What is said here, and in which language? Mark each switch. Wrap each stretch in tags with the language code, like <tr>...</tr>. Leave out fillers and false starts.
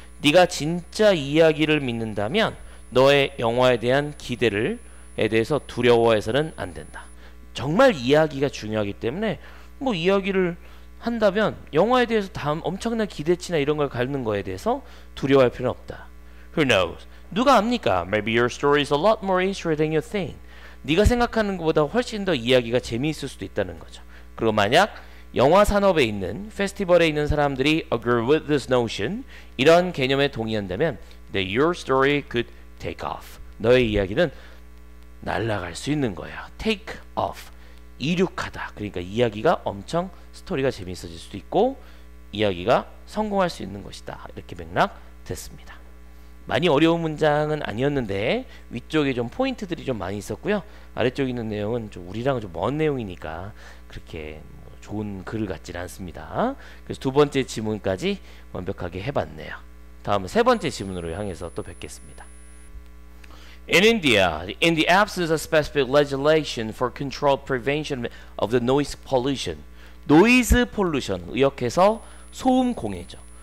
<ko>네가 진짜 이야기를 믿는다면 너의 영화에 대한 기대를 에 대해서 두려워해서는 안 된다. 정말 이야기가 중요하기 때문에 뭐 이야기를 한다면 영화에 대해서 다음 엄청난 기대치나 이런 걸 갖는 거에 대해서 두려워할 필요는 없다.</ko> <en>Who knows?</en> <ko>누가 압니까?</ko> <en>Maybe your story is a lot more interesting than you think.</en> <ko>네가 생각하는 것보다 훨씬 더 이야기가 재미있을 수도 있다는 거죠. 그리고 만약 영화 산업에 있는 페스티벌에 있는 사람들이</ko> <en>agree with this notion</en> <ko>이런 개념에 동의한다면</ko> <en>that your story could take off.</en> <ko>너의 이야기는 날아갈 수 있는 거야.</ko> <en>Take off.</en> <ko>이륙하다. 그러니까 이야기가 엄청 스토리가 재미있어질 수도 있고 이야기가 성공할 수 있는 것이다. 이렇게 맥락 됐습니다. 많이 어려운 문장은 아니었는데 위쪽에 좀 포인트들이 좀 많이 있었고요. 아래쪽에 있는 내용은 좀 우리랑은 좀 먼 내용이니까 그렇게 뭐 좋은 글 같진 않습니다. 그래서 두 번째 지문까지 완벽하게 해봤네요. 다음 세 번째 지문으로 향해서 또 뵙겠습니다.</ko> <en>In India, in the absence of specific legislation for control prevention of the noise pollution, noise pollution,</en> <ko>의역해서 소음 공해죠.</ko>